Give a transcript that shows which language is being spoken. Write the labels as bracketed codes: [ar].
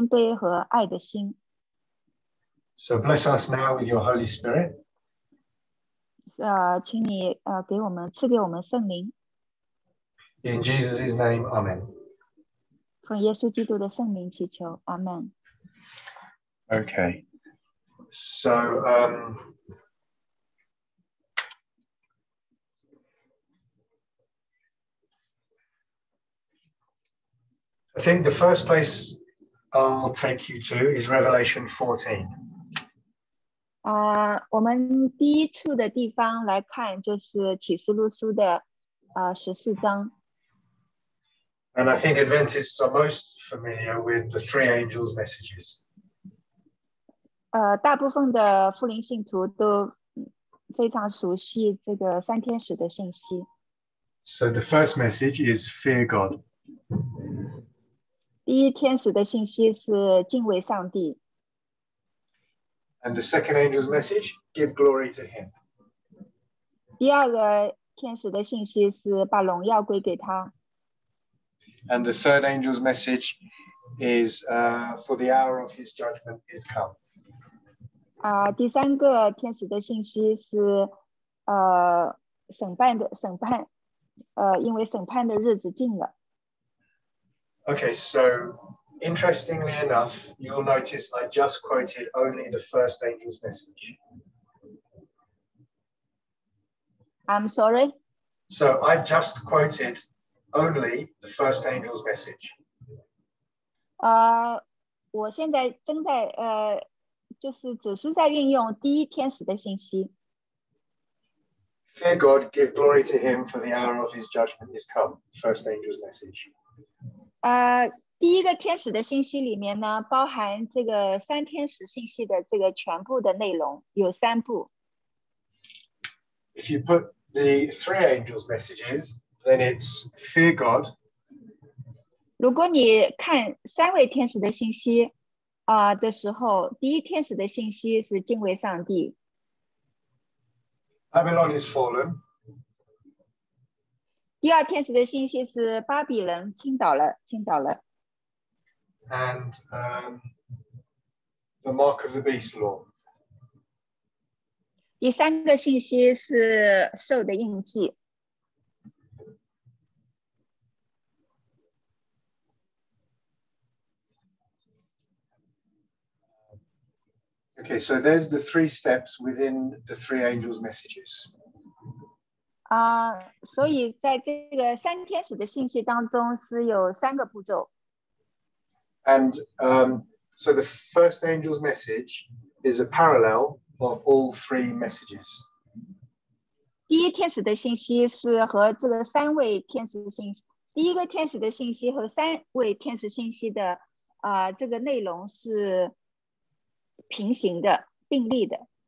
[zh] 当我们在与其他的人在分享的时候，给我们谦卑的心，谦卑和爱的心。 [en] So bless us now with your Holy Spirit. [zh] 请你给我们赐给我们圣灵。 [en] In Jesus' name, Amen. [zh] 奉耶稣基督的圣名祈求，Amen. [en] Okay. So, I think the first place I'll take you to is Revelation 14. [zh] 我们第一处的地方来看就是启示录书的14章。 [en] And I think Adventists are most familiar with the three angels' messages. [zh] 大部分的福音信徒都非常熟悉这个三天使的信息。 [en] So the first message is fear God. [zh] 第一天使的信息是敬畏上帝。 [en] And the second angel's message, give glory to him. [zh] 第二个天使的信息是把荣耀归给他。 [en] And the third angel's message is, for the hour of his judgment is come. [zh] 第三个天使的信息是审判因为审判的日子近了。 [en] Okay, so interestingly enough, you'll notice I just quoted only the first angel's message. I'm sorry? So I just quoted only the first angel's message. [zh] 我现在正在就是只是在运用第一天使的信息。 [en] Fear God, give glory to him, for the hour of his judgment is come. First angel's message. [zh] 第一个天使的信息里面呢，包含这个三天使信息的这个全部的内容，有三部。 [en] If you put the three angels' messages, then it's fear God. [zh] 如果你看三位天使的信息，的时候，第一天使的信息是敬畏上帝。 [en] Babylon is fallen. [zh] 第二天使的信息是巴比伦倾倒了。 [en] And the mark of the beast law. [zh] 第三个信息是兽的印记。 [en] Okay, so there's the three steps within the three angels' messages. [zh] 所以在这个三天使的信息当中是有三个步骤。 [en] And so the first angel's message is a parallel of all three messages. [zh] 第一天使的信息是和这个三位天使信息，第一个天使的信息和三位天使信息的这个内容是平行的，并立的。